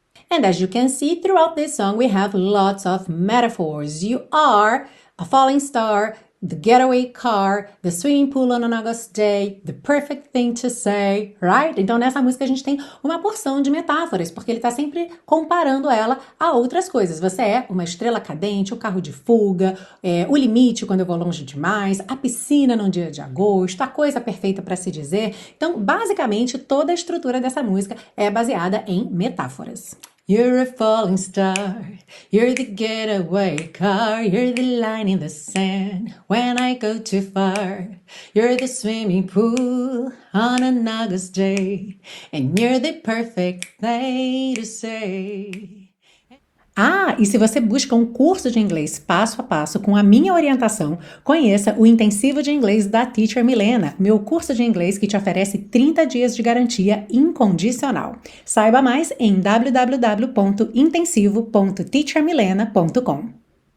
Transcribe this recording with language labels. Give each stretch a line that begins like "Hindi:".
English: And as you can see, throughout this song, we have lots of metaphors. You are a falling star, the getaway car, the swimming pool on an August day, the perfect thing to say, right?
Portuguese: Então, nessa música, a gente tem uma porção de metáforas, porque ele está sempre comparando ela a outras coisas. Você é uma estrela cadente, o carro de fuga, o limite quando eu vou longe demais, a piscina num dia de agosto, a coisa perfeita para se dizer. Então, basicamente, toda a estrutura dessa música é baseada em metáforas.
English: You're a falling star, you're the getaway car, you're the line in the sand when I go too far, you're the swimming pool on an August day, and you're the perfect thing to say.
Portuguese: Ah, e se você busca um curso de inglês passo a passo com a minha orientação, conheça o Intensivo de Inglês da Teacher Milena, meu curso de inglês que te oferece 30 dias de garantia incondicional. Saiba mais em www.intensivo.teachermilena.com.